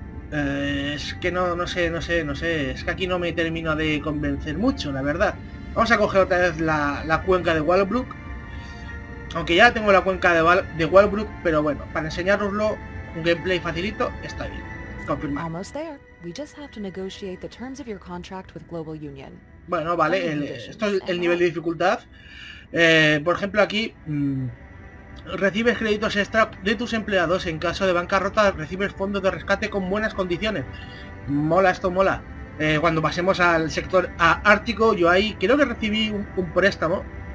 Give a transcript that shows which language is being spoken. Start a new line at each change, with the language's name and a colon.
Spanish: Es que no sé. Es que aquí no me termino de convencer mucho, la verdad. Vamos a coger otra vez la cuenca de Wellbrook. Aunque ya tengo la cuenca de Wellbrook, pero bueno, para enseñaroslo un gameplay facilito, está bien. Confirmado.
English: We just have to negotiate the terms of your contract with Global Union.
Spanish: Bueno, vale, esto es el nivel de dificultad. Por ejemplo, aquí recibes créditos extra de tus empleados en caso de bancarrota, recibes fondos de rescate con buenas condiciones. Mola, esto mola. Cuando pasemos al sector ártico, yo ahí creo que recibí un préstamo.